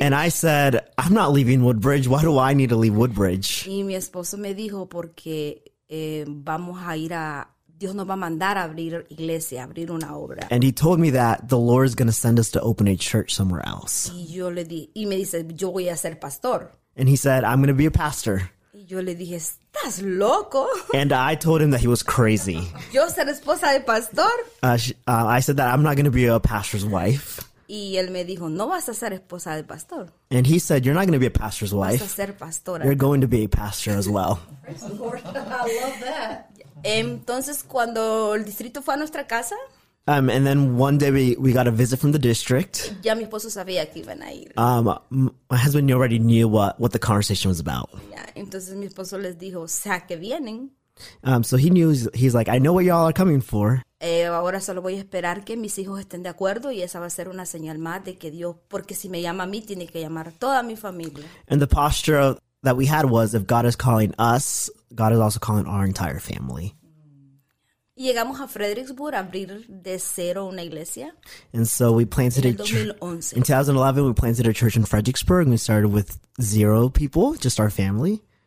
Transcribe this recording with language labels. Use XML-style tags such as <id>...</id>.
<en>And I said, I'm not leaving Woodbridge. Why do I need to leave Woodbridge?</en> <es>Y mi esposo me dijo, porque vamos a ir a... Dios nos va a mandar a abrir iglesia, a abrir una obra.</es> <en>And he told me that the Lord is going to send us to open a church somewhere else.</en> <es>Y yo le di, y me dice, yo voy a ser pastor.</es> <en>And he said, I'm going to be a pastor.</en> <es>Y yo le dije, estás loco.</es> <en>And I told him that he was crazy.</en> <es>Yo ser esposa de pastor.</es> <en>I said that I'm not going to be a pastor's wife.</en> <es>Y él me dijo, no vas a ser esposa de pastor.</es> <en>And he said, you're not going to be a pastor's wife.</en> <es>Vas a ser pastora.</es> <en>You're going to be a pastor as well. Praise the Lord. I love that.</en> <es>Entonces, cuando el distrito fue a nuestra casa,</es> <en>And then one day we got a visit from the district.</en> <es>Ya mi esposo sabía que iban a ir.</es> <en>My husband already knew what the conversation was about.</en> <es>Yeah, entonces mi esposo les dijo, sea que vienen.</es> <en>So he knew, he's like, I know what y'all are coming for.</en> <es>Ahora solo voy a esperar que mis hijos estén de acuerdo y esa va a ser una señal más de que Dios, porque si me llama a mí, tiene que llamar a toda mi familia.</es> <en>And the posture that we had was, if God is calling us, God is also calling our entire family.</en> <es>Llegamos a Fredericksburg a abrir de cero una iglesia.</es> <en>And so we planted in 2011. In 2011, we planted a church in Fredericksburg. We started with zero people, just our family.</en>